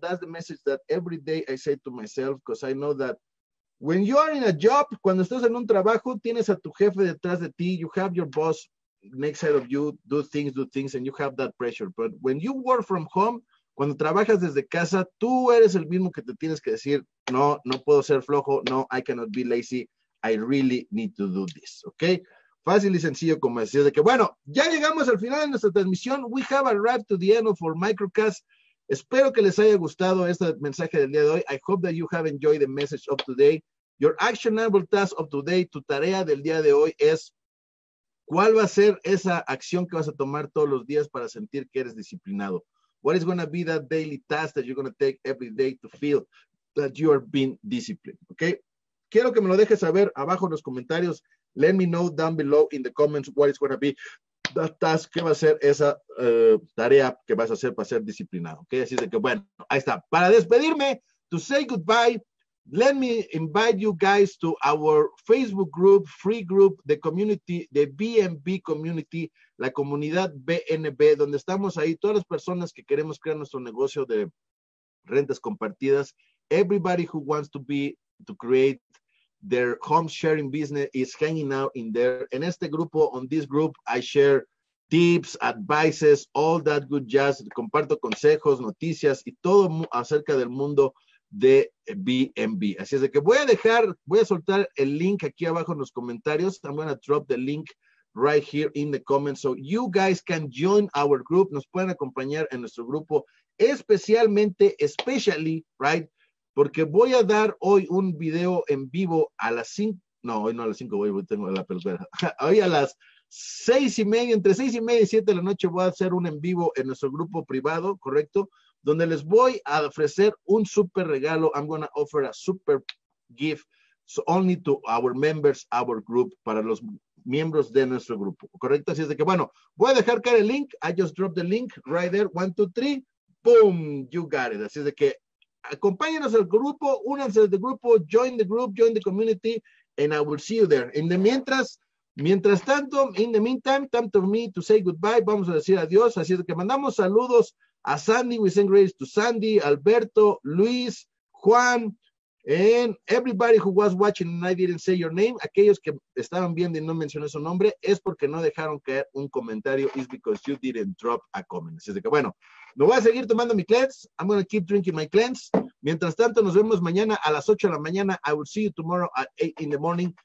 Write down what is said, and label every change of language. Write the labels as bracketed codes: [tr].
[en] That's the message that every day I say to myself, because I know that when you are in a job, [es] cuando estás en un trabajo, tienes a tu jefe detrás de ti, [en] you have your boss next side of you, do things, and you have that pressure. But when you work from home, [es] cuando trabajas desde casa, tú eres el mismo que te tienes que decir, no, no puedo ser flojo, no, [en] I cannot be lazy, I really need to do this, okay? [es] Fácil y sencillo, como decir, de que bueno, ya llegamos al final de nuestra transmisión. [en] We have arrived to the end of our microcast. [es] Espero que les haya gustado este mensaje del día de hoy. [en] I hope that you have enjoyed the message of today. Your actionable task of today, [es] tu tarea del día de hoy es, ¿cuál va a ser esa acción que vas a tomar todos los días para sentir que eres disciplinado? [en] What is going to be that daily task that you're going to take every day to feel that you are being disciplined? Okay? [es] Quiero que me lo dejes saber abajo en los comentarios. [en] Let me know down below in the comments what is going to be that task, [es] qué va a ser esa tarea que vas a hacer para ser disciplinado, ¿ok? Así de que, bueno, ahí está. Para despedirme, [en] to say goodbye, Let me invite you guys to our Facebook group, free group, the community, the BNB community, [es] la comunidad BNB, donde estamos ahí todas las personas que queremos crear nuestro negocio de rentas compartidas. [en] Everybody who wants to be, to create their home sharing business is hanging out in there. [es] En este grupo, [en] on this group, I share tips, advices, all that good jazz. [es] Comparto consejos, noticias y todo acerca del mundo de BNB. Así es de que voy a soltar el link aquí abajo en los comentarios. [en] I'm going to drop the link right here in the comments so you guys can join our group. [es] Nos pueden acompañar en nuestro grupo especialmente, [en] especially, right? [es] Porque voy a dar hoy un video en vivo a las 5, no, hoy no a las 5, hoy tengo la pelotera. Hoy a las 6:30, entre 6:30 y 7 de la noche voy a hacer un en vivo en nuestro grupo privado, ¿correcto? Donde les voy a ofrecer un super regalo. [en] I'm going to offer a super gift only to our members, our group, [es] para los miembros de nuestro grupo, ¿correcto? Así es de que, bueno, voy a dejar caer el link. [en] I just dropped the link right there. 1, 2, 3. Boom, you got it. [es] Así es de que, acompáñenos al grupo, [en] únanse al grupo, join the group, join the community, and I will see you there. In the [es] mientras, mientras tanto, [en] in the meantime, time for me to say goodbye. [es] Vamos a decir adiós. Así es de que mandamos saludos a Sandy, [en] we send greetings to Sandy, Alberto, Luis, Juan, and everybody who was watching and I didn't say your name. [es] Aquellos que estaban viendo y no mencioné su nombre es porque no dejaron caer un comentario. [en] It's because you didn't drop a comment. [es] Así es de que, bueno, me voy a seguir tomando mi cleanse. [en] I'm going to keep drinking my cleanse. [es] Mientras tanto, nos vemos mañana a las 8 de la mañana. [en] I will see you tomorrow at 8 in the morning.